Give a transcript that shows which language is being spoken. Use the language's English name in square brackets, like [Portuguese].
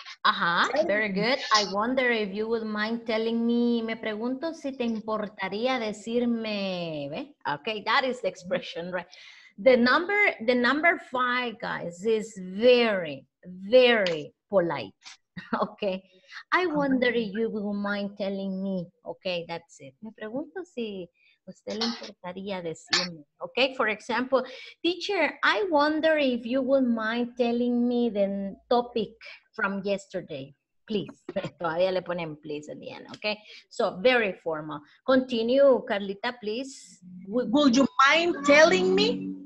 [English] Uh-huh, very good. I wonder if you would mind telling me, [Spanish] me pregunto si te importaría decirme, ¿ve? [English] Okay, that is the expression, right? The number five, guys, is very, very polite, okay? I wonder if you would mind telling me, okay, that's it. [Spanish] Me pregunto si usted le importaría decirme, okay? [English] For example, teacher, I wonder if you would mind telling me the topic from yesterday, please. [Spanish] Todavía le ponen [English] please at the end, okay? So, very formal. Continue, Carlita, please. Would you mind telling me?